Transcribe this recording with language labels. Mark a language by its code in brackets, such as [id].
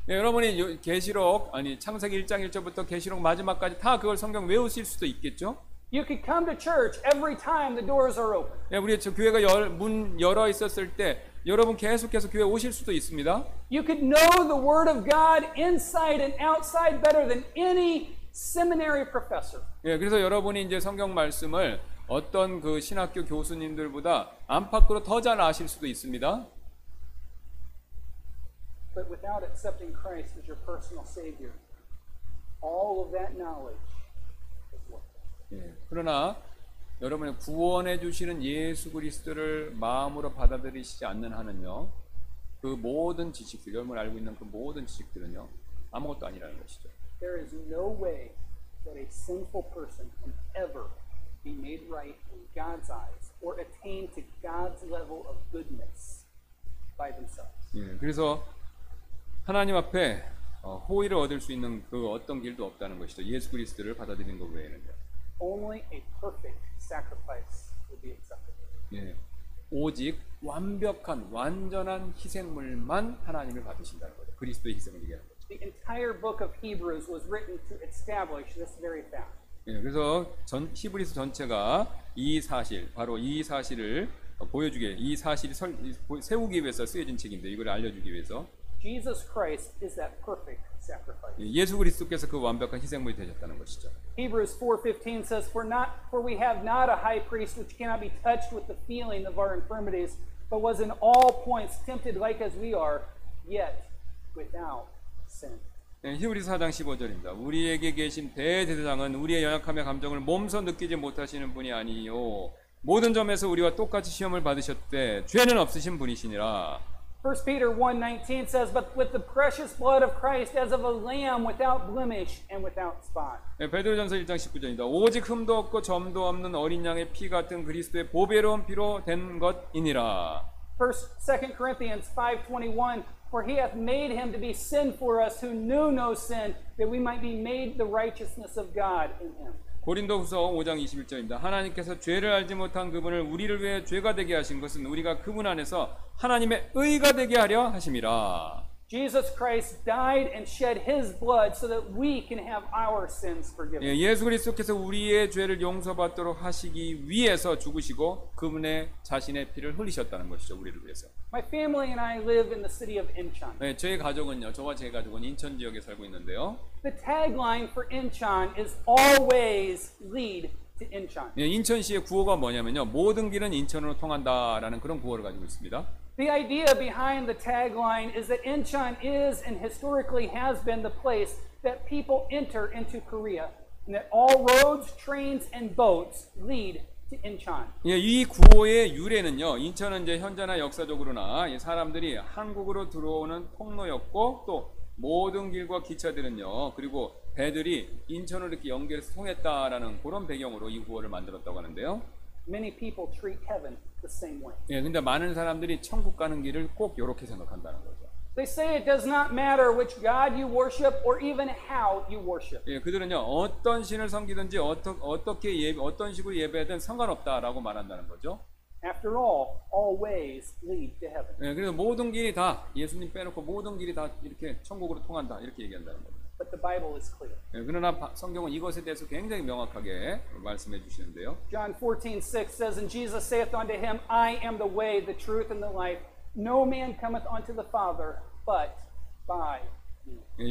[ko] 예, 여러분이 계시록 아니 창세기 1장 1절부터 계시록 마지막까지 다 그걸 성경 외우실 수도 있겠죠? [en] You could come to church every time the doors are open. [ko] 예, 우리 교회가 문 열어 있었을 때 여러분 계속해서 교회 오실 수도 있습니다. [en] You could know the word of God inside and outside better than any seminary professor. [ko] 예, 그래서 여러분이 이제 성경 말씀을 어떤 그 신학교 교수님들보다 안팎으로 더 잘 아실 수도 있습니다. [en] But without accepting Christ as your personal savior, all of that knowledge is worthless. [ko] 예, 그러나 여러분의 구원해 주시는 예수 그리스도를 마음으로 받아들이시지 않는 한은요, 그 모든 지식들, 여러분 알고 있는 그 모든 지식들은요, 아무것도 아니라는 것이죠. [en] There is no way that a sinful person can ever be made right in God's eyes or attain to God's level of goodness by themselves. [ko] 예, 그래서 하나님 앞에 호의를 얻을 수 있는 그 어떤 길도 없다는 것이죠. 예수 그리스도를 받아들이는 것 외에는요. [en] Only a perfect sacrifice would be accepted. [ko] 예, 오직 완벽한 완전한 희생물만 하나님을 받으신다는 거죠. 그리스도의 희생을 얘기하는 거죠. [en] The entire book of Hebrews was written to establish this very fact. [ko] 예, 그래서 전 히브리서 전체가 이 사실, 바로 이 사실을 보여주게, 이 사실이 세우기 위해서 쓰여진 책인데 이걸 알려주기 위해서. [en] Jesus Christ is that perfect sacrifice. [ko] 예수 그리스도께서 그 완벽한 희생물이 되셨다는 것이죠. [en] Hebrews 4:15 says, "For we have not a high priest which cannot be touched with the feeling of our infirmities, but was in all points tempted like as we are, yet without sin." [ko] 예, 히브리서 4장 15절입니다. 우리에게 계신 대제사장은 우리의 연약함의 감정을 몸소 느끼지 못하시는 분이 아니요 모든 점에서 우리와 똑같이 시험을 받으셨되 죄는 없으신 분이시니라. [en] 1 Peter 1:19 says, "But with the precious blood of Christ, as of a lamb without blemish and without spot." [ko] 예, 베드로전서 1장 19절입니다. 오직 흠도 없고 점도 없는 어린 양의 피 같은 그리스도의 보배로운 피로 된 것이니라. [en] 2 Corinthians 5:21, "For he hath made him to be sin for us who knew no sin, that we might be made the righteousness of God in him." [ko] 고린도후서 5장 21절입니다. 하나님께서 죄를 알지 못한 그분을 우리를 위해 죄가 되게 하신 것은 우리가 그분 안에서 하나님의 의가 되게 하려 하심이라. [en] Jesus Christ died and shed his blood so that we can have our sins forgiven. [ko] 예, 예수 그리스도께서 우리의 죄를 용서받도록 하시기 위해서 죽으시고 그분의 자신의 피를 흘리셨다는 것이죠. 우리를 위해서. [en] My family and I live in the city of Incheon. [ko] 네, 저희 가족은요. 저와 제 가족은 인천 지역에 살고 있는데요. [en] The tagline for Incheon is always lead to Incheon. [ko] 네, 인천시의 구호가 뭐냐면요. 모든 길은 인천으로 통한다라는 그런 구호를 가지고 있습니다. [en] The idea behind the tagline is that Incheon is and historically has been the place that people enter into Korea and that all roads, trains and boats lead To [ko] 예, 이 구호의 유래는요. 인천은 이제 현재나 역사적으로나 사람들이 한국으로 들어오는 통로였고 또 모든 길과 기차들은요. 그리고 배들이 인천으로 이렇게 연결해서 통했다라는 그런 배경으로 이 구호를 만들었다고 하는데요. [en] Many people treat heaven the same way. [ko] 예, 근데 많은 사람들이 천국 가는 길을 꼭 이렇게 생각한다는 거죠. [en] They say it does not matter which god you worship or even how you worship. [ko] 예, 그들은요. 어떤 신을 섬기든지 어떻게 예배 어떤 식으로 예배든 상관없다라고 말한다는 거죠. [en] After all ways lead to heaven. [ko] 예, 그래서 모든 길이 다 예수님 빼놓고 모든 길이 다 이렇게 천국으로 통한다. 이렇게 얘기한다는 겁니다. [en] But the Bible is clear. [ko] 예, 그러나 성경은 이것에 대해서 굉장히 명확하게 말씀해 주시는데요. [en] John 14:6 says, "And Jesus saith unto him, I am the way, the truth and the life. No man cometh unto the Father but by me."